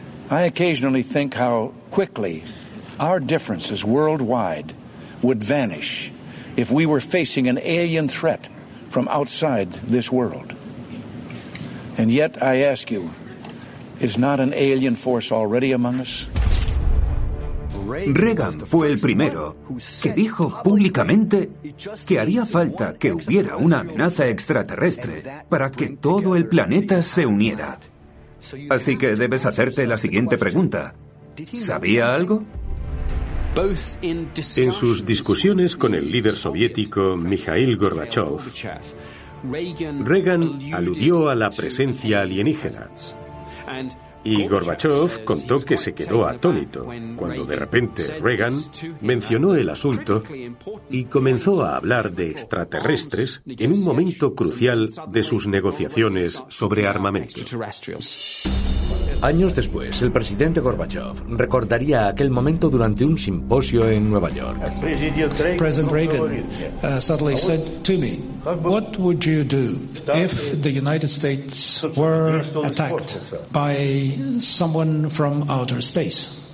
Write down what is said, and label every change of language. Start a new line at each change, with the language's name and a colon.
English: I occasionally think how quickly our differences worldwide would vanish if we were facing an alien threat from outside this world. And yet I ask you, is not an alien force already among us?
Spanish: Reagan fue el primero que dijo públicamente que haría falta que hubiera una amenaza extraterrestre para que todo el planeta se uniera. Así que debes hacerte la siguiente pregunta. ¿Sabía algo? En sus discusiones con el líder soviético Mikhail Gorbachev, Reagan aludió a la presencia alienígena. Y Gorbachev contó que se quedó atónito cuando de repente Reagan mencionó el asunto y comenzó a hablar de extraterrestres en un momento crucial de sus negociaciones sobre armamento. Años después, el presidente Gorbachev recordaría aquel momento durante un simposio en Nueva York.
English: President Reagan suddenly said to me, "What would you do if the United States were attacked by someone from outer space?